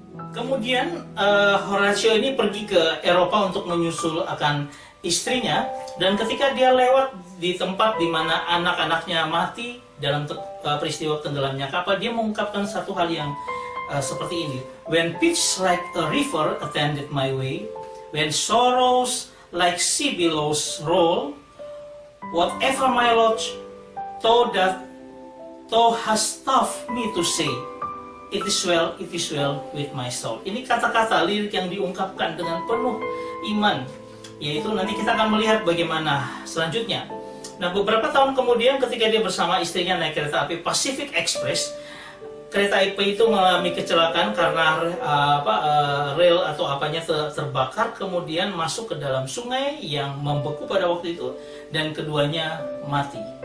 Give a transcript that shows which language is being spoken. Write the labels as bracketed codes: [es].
[id] Kemudian Horatio ini pergi ke Eropa untuk menyusul akan istrinya, dan ketika dia lewat di tempat di mana anak-anaknya mati dalam peristiwa tenggelamnya kapal, dia mengungkapkan satu hal yang seperti ini. [en] When pitch like a river attended my way, when sorrows like sea billows roll, whatever my lot, thou hast taught me to say, it is well with my soul. [id] Ini kata-kata lirik yang diungkapkan dengan penuh iman, yaitu nanti kita akan melihat bagaimana selanjutnya. Nah, beberapa tahun kemudian ketika dia bersama istrinya naik kereta api Pacific Express, kereta api itu mengalami kecelakaan karena rel atau apanya terbakar, kemudian masuk ke dalam sungai yang membeku pada waktu itu, dan keduanya mati.